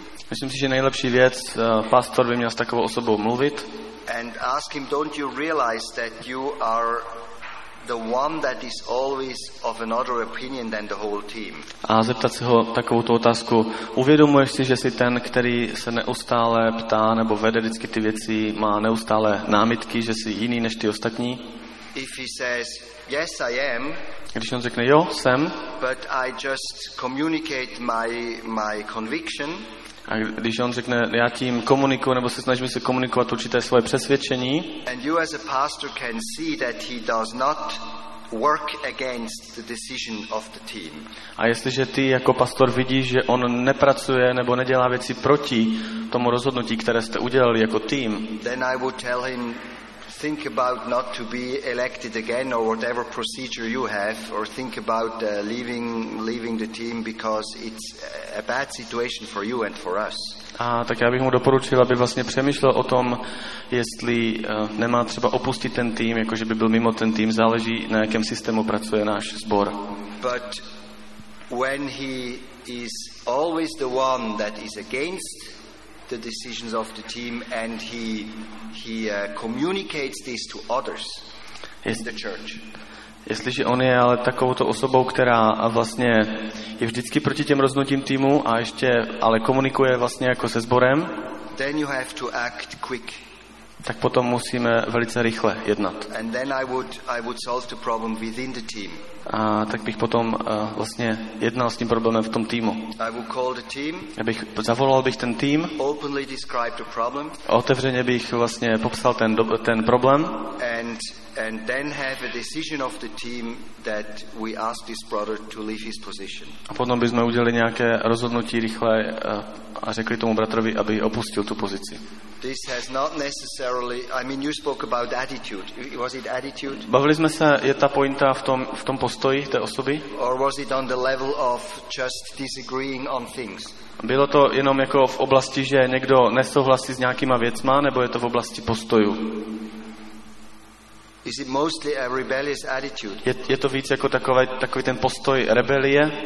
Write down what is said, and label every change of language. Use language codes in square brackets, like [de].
[cs] Myslím si, že nejlepší věc, pastor by měl s takovou osobou mluvit. [en] And ask him, don't you realize that you are the one that is always of another opinion than the whole team. [cs] A zeptat se ho takovou tu otázku. Uvědomuješ si, že jsi ten, který se neustále ptá nebo vede vždycky ty věci, má neustále námitky, že jsi jiný než ty ostatní? [en] If he says yes, I am. [cs] Když on řekne jo, jsem. [en] But I just communicate my conviction. [cs] A když on řekne já tím komunikuju nebo se snažím se komunikovat určité svoje přesvědčení. [en] And you as a pastor can see that he does not work against the decision of the team. [cs] A jestliže ty jako pastor vidíš, že on nepracuje nebo nedělá věci proti tomu rozhodnutí, které jste udělali jako tým. [en] Then I would tell him, think about not to be elected again or whatever procedure you have, or think about leaving the team because it's a bad situation for you and for us. [cs] A tak já bych mu doporučil, aby vlastně přemýšlel o tom, jestli nemá třeba opustit ten tým, jakože by byl mimo ten tým, záleží na jakém systému pracuje náš sbor. [en] But when he is always the one that is against the decisions of the team and he communicates this to others in the church. [cs] Jestliže on je ale takovouto osobou, která vlastně je vždycky proti těm rozhodnutím týmu a ještě ale komunikuje vlastně jako se sborem, [en] then you have to act quick. [cs] Tak potom musíme velice rychle jednat. [en] And then I would solve the problem within the team. [cs] A tak bych potom vlastně jednal s tím problémem v tom týmu. [en] I would call the team. [cs] Zavolal bych ten tým. [en] Openly describe the problem. [cs] Otevřeně bych vlastně popsal ten problém. [en] And then have a decision of the team that we ask this brother to leave his position. [cs] A potom bychom udělali nějaké rozhodnutí rychle a řekli tomu bratrovi, aby opustil tu pozici. [en] This has not necessarily, I mean, you spoke about attitude. Was it attitude? [cs] Bavili jsme se, je ta pointa v tom postoji té osoby? [en] Or was it on the level of just disagreeing on things? [cs] Bylo to jenom jako v oblasti, že někdo nesouhlasí s nějakýma věcma, nebo je to v oblasti postoju? [en] Is it mostly a rebellious attitude? [cs] Je to víc jako takový ten postoj rebelie?